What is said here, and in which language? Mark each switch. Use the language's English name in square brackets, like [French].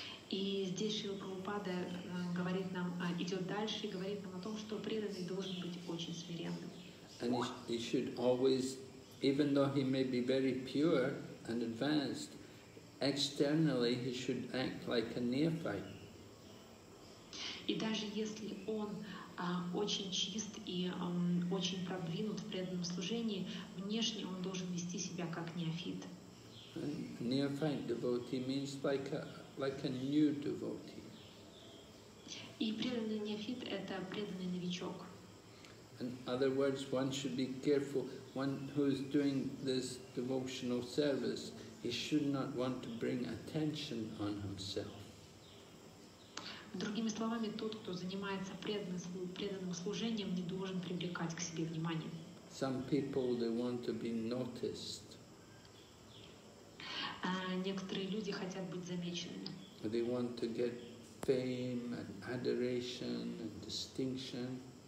[Russian] И здесь Шрила Прабхупада говорит нам, идет дальше и говорит нам о том, что преданный должен быть очень смиренным. [English] And he should always, even though he may be very pure and advanced, externally he should act like a neophyte. [Russian] И даже если он очень чист и очень продвинут в преданном служении, внешне он должен вести себя как неофит. [English] Neophyte devotee means like a new devotee. [Russian] И преданный неофит – это преданный новичок. [English] In other words, one should be careful. One who is doing this devotional service, he should not want to bring attention on himself. [Russian] Другими словами, тот, кто занимается преданным служением, не должен привлекать к себе внимание. [English] Some people, they want to be noticed. [Russian] Некоторые люди хотят быть замеченными. [English] They want to get fame and adoration and distinction.